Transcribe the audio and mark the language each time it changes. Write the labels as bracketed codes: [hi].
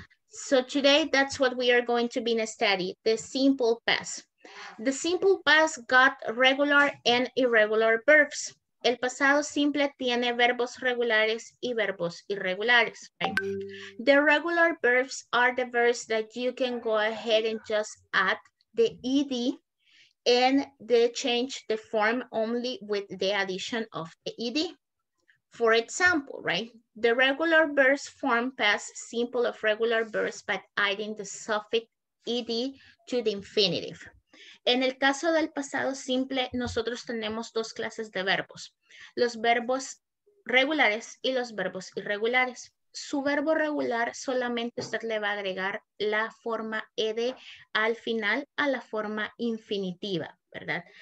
[en] So today, that's what we are going to be in a study, the simple past. The simple past got regular and irregular verbs. [es] El pasado simple tiene verbos regulares y verbos irregulares, right? [en] The regular verbs are the verbs that you can go ahead and just add the ed, and they change the form only with the addition of the ed. For example, right? The regular verbs form past simple of regular verbs by adding the suffix ed to the infinitive. [es] En el caso del pasado simple, nosotros tenemos dos clases de verbos. Los verbos regulares y los verbos irregulares. Su verbo regular solamente usted le va a agregar la forma ed al final a la forma infinitiva, ¿verdad?